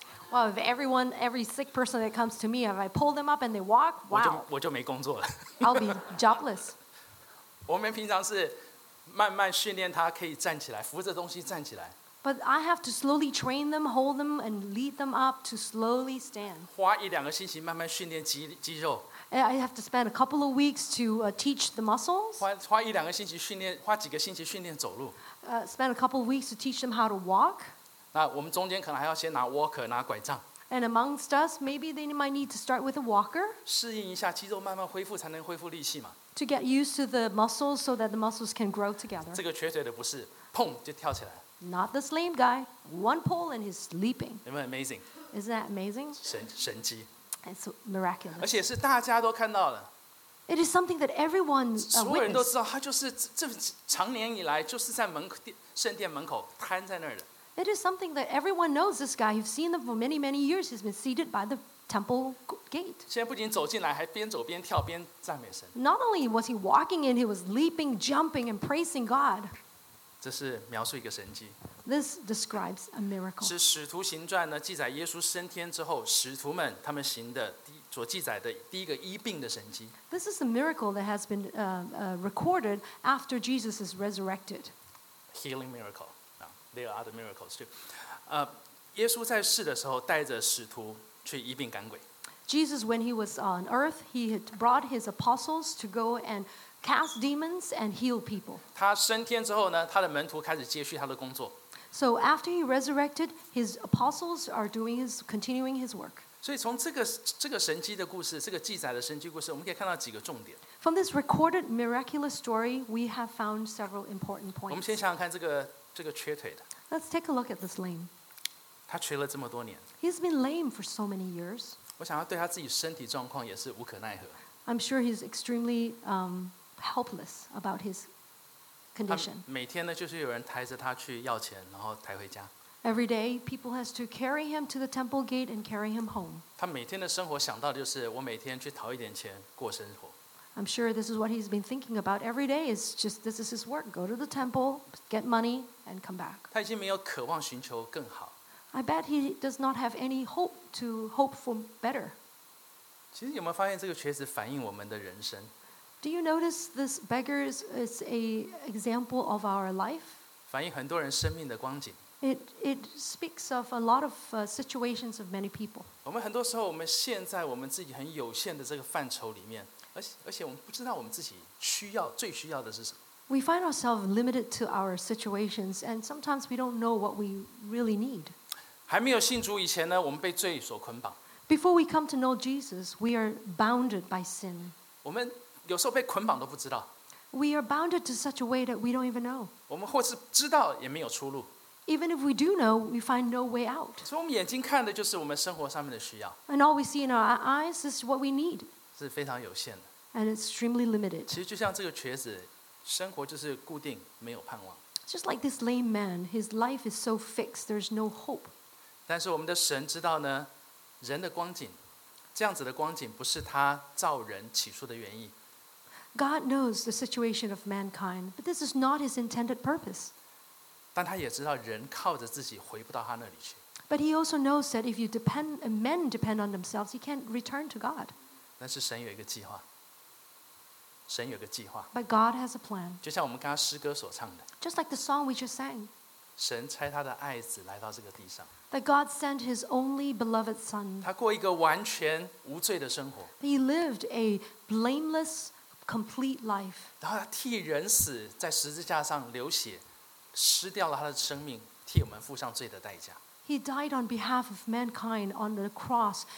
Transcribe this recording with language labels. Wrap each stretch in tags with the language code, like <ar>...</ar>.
<en>Well, if every sick person that comes to me, if I pull them up and they walk, wow,</en> <zh>我就没工作了。</zh> <en>I'll be jobless.</en> <zh>我们平常是慢慢训练他可以站起来，扶着东西站起来。</zh> <en>But I have to slowly train them, hold them, and lead them up to slowly stand.</en> <zh>花一两个星期慢慢训练肌肉。</zh> <en>I have to spend a couple of weeks to teach the muscles.</en> <zh>花一两个星期训练，花几个星期训练走路。</zh> <en>Spend a couple of weeks to teach them how to walk.</en> <zh>那我们中间可能还要先拿 walker 拿拐杖。</zh> <en>And amongst us, maybe they might need to start with a walker.</en> <zh>适应一下肌肉，慢慢恢复才能恢复力气嘛。</zh> <en>To get used to the muscles so that the muscles can grow together.</en> <zh>这个瘸腿的不是，砰就跳起来。</zh> <en>Not this lame guy. One pull and he's leaping.</en> <zh>有没有 amazing?</zh> <en>Isn't that amazing?</en> <zh>神迹。</zh> <en>It's miraculous.</en> <zh>而且是大家都看到了。</zh> <en>It is something that everyone witnessed.</en> <zh>所有人都知道，他就是这长年以来就是在圣殿门口瘫在那儿的。</zh> <en>It is something that everyone knows. This guy, you've seen him for many, many years. He's been seated by the temple gate.</en> <zh>现在不仅走进来，还边走边跳边赞美神。</zh> <en>Not only was he walking in, he was leaping, jumping, and praising God.</en> <zh>这是描述一个神迹。</zh> <en>This describes a miracle.</en> <zh>是《使徒行传》呢记载耶稣升天之后，使徒们他们行的所记载的第一个医病的神迹。</zh> <en>This is a miracle that has been recorded after Jesus is resurrected. Healing miracle. There are other miracles too.</en> <zh>耶稣在世的时候带着使徒去医病赶鬼。</zh> <en>Jesus, when he was on earth, he had brought his apostles to go and cast demons and heal people.</en> <zh>他升天之后呢，他的门徒开始接续他的工作。</zh> <en>So after he resurrected, his apostles are continuing his work.</en> <zh>所以从这个神迹的故事，这个记载的神迹故事，我们可以看到几个重点。</zh> <en>From this recorded miraculous story, we have found several important points.</en> <zh>我们先想想看这个瘸腿的。</zh> <en>Let's take a look at this lame.</en> <zh>他瘸了这么多年。</zh> <en>He's been lame for so many years.</en> <zh>我想要对他自己身体状况也是无可奈何。</zh> <en>I'm sure he's extremely helpless about his condition.</en> <zh>每天呢就是有人抬着他去要钱，然后抬回家。</zh> <en>Every day, people has to carry him to the temple gate and carry him home.</en> <zh>他每天的生活想到的就是我每天去讨一点钱过生活。</zh> <en>I'm sure this is what he's been thinking about every day. It's just this is his work. Go to the temple, get money, and come back.</en> <zh>他已经没有渴望寻求更好。</zh> <en>I bet he does not have any hope to hope for better.</en> <zh>其实有没有发现这个瘸子反映我们的人生</zh> <en>？Do you notice this beggar is a example of our life?</en> <zh>反映很多人生命的光景。</zh> <en>It speaks of a lot of situations of many people.</en> <zh>我们很多时候，我们陷在我们自己很有限的这个范畴里面。而且我们不知道我们自己需要最需要的是什么。</zh> <en>We find ourselves limited to our situations, and sometimes we don't know what we really need.</en> <zh>还没有信主以前呢，我们被罪所捆绑。</zh> <en>Before we come to know Jesus, we are bounded by sin.</en> <zh>我们有时候被捆绑都不知道。</zh> <en>We are bounded to such a way that we don't even know.</en> <zh>我们或是知道也没有出路。</zh> <en>Even if we do know, we find no way out.</en> <zh>所以我们眼睛看的就是我们生活上面的需要。</zh> <en>And all we see in our eyes is what we need.</en> <zh>是非常有限的。</zh> <en>And extremely limited.</en> <zh>其实就像这个瘸子，生活就是固定，没有盼望。</zh> <en>Just like this lame man, his life is so fixed, there's no hope.</en> <zh>但是我们的神知道呢，人的光景，这样子的光景不是他造人起初的原意。</zh> <en>God knows the situation of mankind, but this is not his intended purpose.</en> <zh>但他也知道人靠着自己回不到他那里去。</zh> <en>But he also knows that if men depend on themselves, he can't return to God.</en> <zh>但是神有一个计划，神有个计划。</zh> <en>But God has a plan.</en> <zh>就像我们刚刚诗歌所唱的。</zh> <en>Just like the song we just sang.</en> <zh>神差他的爱子来到这个地上。</zh> <en>That God sent His only beloved Son.</en> <zh>他过一个完全无罪的生活。</zh> <en>He lived a blameless, complete life.</en> <zh>然后他替人死，在十字架上流血，失掉了他的生命，替我们付上罪的代价。</zh> <en>He died on behalf of mankind on the cross.</en>